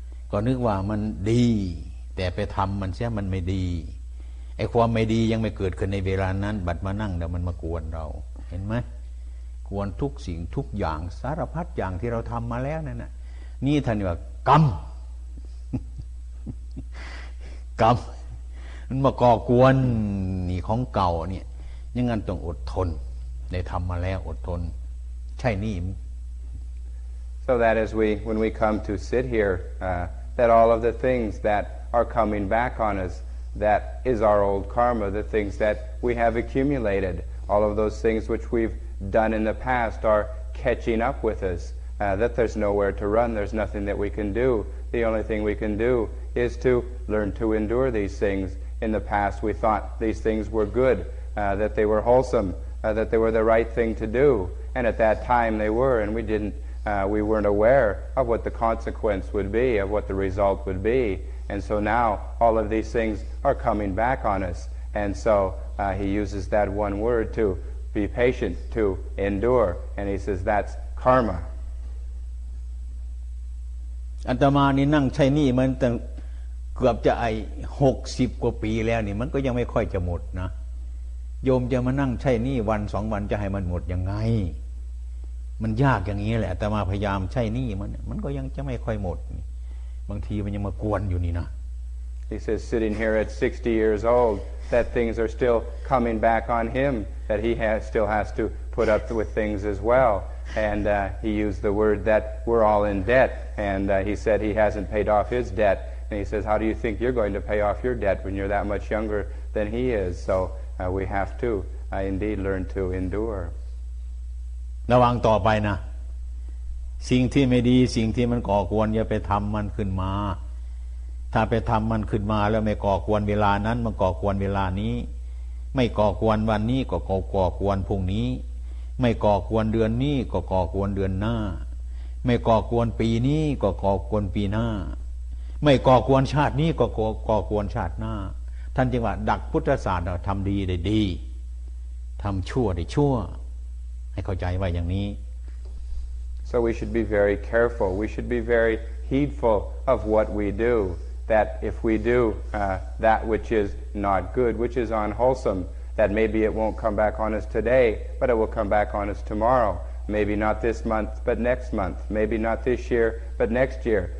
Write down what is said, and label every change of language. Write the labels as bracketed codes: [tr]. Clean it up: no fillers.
[th] ก็นึกว่ามันดีแต่ไปทำมันเสียมันไม่ดีไอ้ความไม่ดียังไม่เกิดขึ้นในเวลานั้นบัดมานั่งแล้วมันมากวนเราเห็นไหมกวนทุกสิ่งทุกอย่างสารพัดอย่างที่เราทำมาแล้วนั่นน่ะนี่ท่านว่ากรรมกรรมมันมาก่อกวนนี่ของเก่าเนี่ยยังงั้นต้องอดทนได้ทำมาแล้วอดทนใช่นี่ [en] So that as when we come to sit here that all of the things that are coming back on usThat is our old karma, the things that we have accumulated. All of those things which we've done in the past are catching up with us. That there's nowhere to run, there's nothing that we can do. The only thing we can do is to learn to endure these things. In the past we thought these things were good, that they were wholesome, that they were the right thing to do. And at that time they were, and we weren't aware of what the consequence would be, of what the result would be. And so now all of these things are coming back on us. And so he uses that one word to be patient, to endure. And he says that's karma. [th] อาตมานี่นั่งใช้นี่มันตั้งเกือบจะไอ้60กว่าปีแล้วนี่มันก็ยังไม่ค่อยจะหมดนะโยมจะมานั่งใช้นี่วัน2วันจะให้มันหมดยังไงมันยากอย่างนี้แหละอาตมาพยายามใช้นี่มันก็ยังจะไม่ค่อยหมดบางทีมันยังมากวนอยู่นี่นะ [en] He says sitting here at 60 years old that things are still coming back on him that he has still has to put up with things as well and he used the word that we're all in debt and he said he hasn't paid off his debt and he says how do you think you're going to pay off your debt when you're that much younger than he is so we have to indeed learn to endure [th] ระวังต่อไปนะสิ่งที่ไม่ดีสิ่งที่มันก่อกวนอย่าไปทำมันขึ้นมาถ้าไปทำมันขึ้นมาแล้วไม่ก่อกวนเวลานั้นมันก่อกวนเวลานี้ไม่ก่อกวนวันนี้ก็ก่อกวนพรุ่งนี้ไม่ก่อกวนเดือนนี้ก็ก่อกวนเดือนหน้าไม่ก่อกวนปีนี้ก็ก่อกวนปีหน้า ไม่ก่อกวนชาตินี้ก็ก่อกวนชาติหน้าท่านจึงว่าดักพุทธศาสตร์ทำดีได้ดีทำชั่วได้ชั่วให้เข้าใจไว้อย่างนี้ [en] So we should be very careful. We should be very heedful of what we do. That if we do that which is not good, which is unwholesome, that maybe it won't come back on us today, but it will come back on us tomorrow. Maybe not this month, but next month. Maybe not this year, but next year.